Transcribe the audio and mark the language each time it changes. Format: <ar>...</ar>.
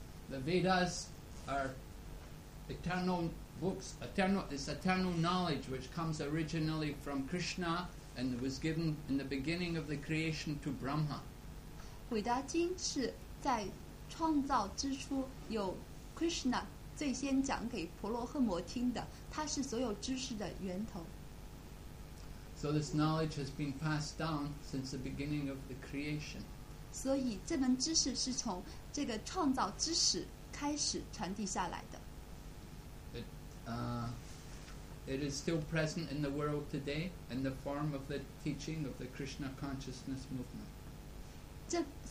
<en>The Vedas are eternal books, eternal, it's eternal knowledge which comes originally from Krishna and was given in the beginning of the creation to Brahma.</en> <zh>伟达经是在创造之初有 Krishna 最先讲给婆罗诃摩听的，它是所有知识的源头.</zh> <en>So this knowledge has been passed down since the beginning of the creation.</en> <zh>所以这门知识是从这个创造之始开始传递下来的.</zh> <en>It is still present in the world today in the form of the teaching of the Krishna Consciousness Movement.</en>